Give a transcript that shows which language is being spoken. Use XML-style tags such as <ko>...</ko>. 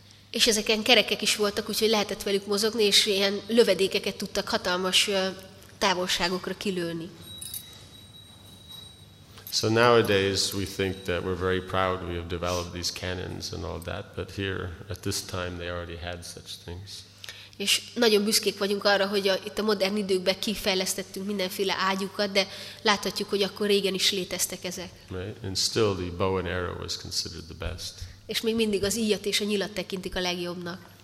<hu>És ezeken kerekek is voltak, úgyhogy lehetett velük mozogni, és ilyen lövedékeket tudtak hatalmas távolságokra kilőni.</hu> <en>So nowadays we think that we're very proud we have developed these cannons and all that, but here at this time they already had such things.</en> <hu>És nagyon büszkék vagyunk arra, hogy itt a modern időkben kifejlesztettünk mindenféle ágyukat, de láthatjuk, hogy akkor régen is léteztek ezek.</hu> <en>Right? And still the bow and arrow was considered the best.</en> <hu>És még mindig az íjat és a nyilat tekintik a legjobbnak.</hu>